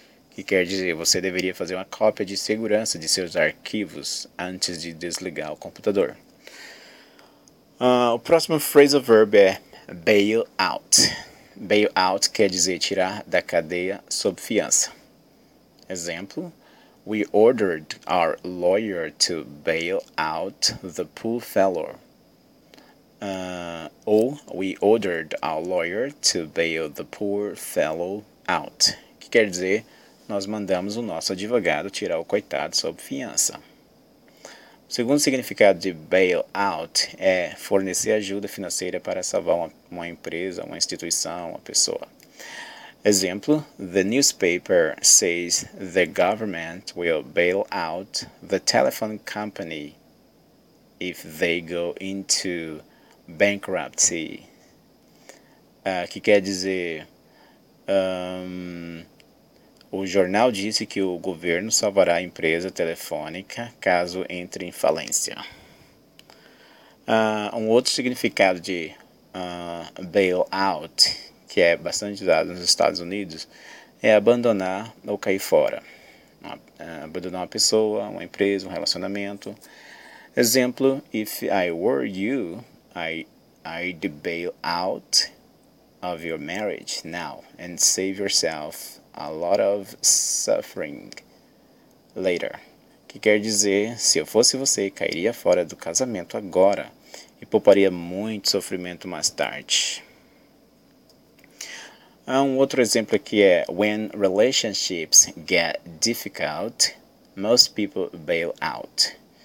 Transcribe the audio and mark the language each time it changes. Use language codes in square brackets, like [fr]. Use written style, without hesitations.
[pt] Que quer dizer, você deveria fazer uma cópia de segurança de seus arquivos antes de desligar o computador. O próximo phrasal verb é bail out. Bail out quer dizer tirar da cadeia sob fiança. Exemplo, [en] we ordered our lawyer to bail out the poor fellow. [pt] Ou, [en] we ordered our lawyer to bail the poor fellow out. [pt] Que quer dizer, nós mandamos o nosso advogado tirar o coitado sob fiança. O segundo significado de bail out é fornecer ajuda financeira para salvar uma empresa, uma instituição, uma pessoa. Exemplo, [en] the newspaper says the government will bail out the telephone company if they go into bankruptcy. [pt] Que quer dizer... O jornal disse que o governo salvará a empresa telefônica caso entre em falência. Um outro significado de bail out, que é bastante usado nos Estados Unidos, é abandonar ou cair fora. Abandonar uma pessoa, uma empresa, um relacionamento. Exemplo, [en] if I were you, I'd bail out of your marriage now and save yourself a lot of suffering later. [pt] Que quer dizer, se eu fosse você, cairia fora do casamento agora e pouparia muito sofrimento mais tarde. Há um outro exemplo aqui é, [en] when relationships get difficult, most people bail out.